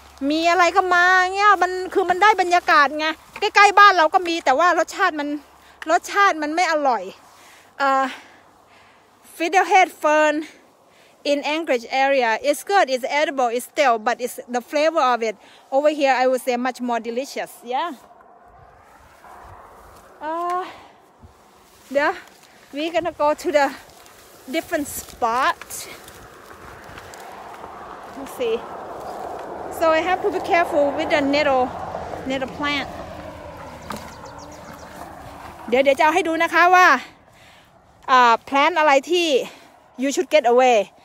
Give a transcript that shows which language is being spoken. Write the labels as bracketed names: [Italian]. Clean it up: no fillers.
[Thai] มีอะไรก็มาเงี้ยมันคือมันได้บรรยากาศไงใกล้ๆบ้านเราก็มีแต่ว่ารสชาติมันไม่อร่อย [English] Fiddlehead fern in Anchorage area is good it's edible it's still but it's the flavor of itOver here, I would say much more delicious. Yeah. Yeah, we're gonna go to the different spot. Let's see. So I have to be careful with the nettle plant. [Thai] เดี๋ยวจะเอาให้ดูนะคะว่า plant อะไรที่ [English] you should get away.